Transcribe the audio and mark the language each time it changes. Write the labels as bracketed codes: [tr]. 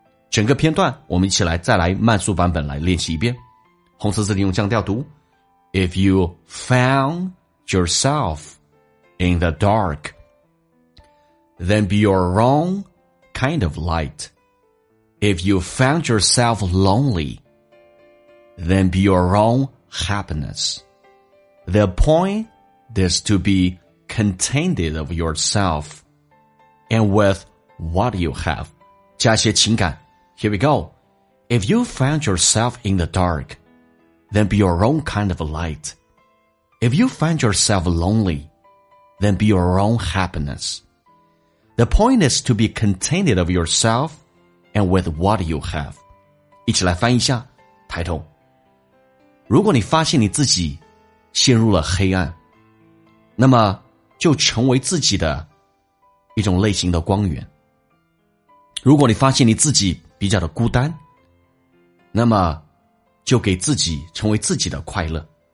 [zh] 整个片段我们一起来再来慢速版本来练习一遍。红色字体用降调读。 [en] If you found yourself in the dark, then be your own kind of light. If you found yourself lonely, then be your own happiness. The point is to be contented of yourself. And with what you have, [zh] 加些情感。 [en] Here we go. If you found yourself in the dark, then be your own kind of light. If you find yourself lonely, then be your own happiness. The point is to be contented of yourself and with what you have. [zh] 一起来翻译一下 title. 如果你发现你自己陷入了黑暗，那么就成为自己的一种类型的光源。如果你发现你自己比较的孤单，那么就给自己成为自己的快乐。